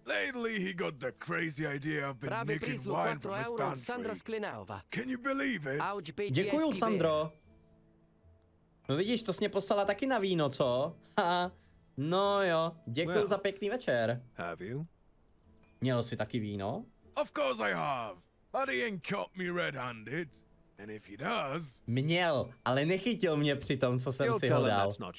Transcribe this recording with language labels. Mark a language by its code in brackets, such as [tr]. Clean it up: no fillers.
[en] Lately he got the crazy idea of been nicking wine from his pantry. Sandra Sklinaova. Can you believe it? Auch, [cs] děkuju, Sandro. No vidíš, to jsi mě poslala taky na víno, co? Ha, no jo, děkuju za pěkný večer. [en] Have you? [cs] Měl jsi taky víno? [en] Of course I have. But he ain't caught me red-handed. And if he does... [cs] Měl, ale nechytil mě při tom, co jsem si hledal.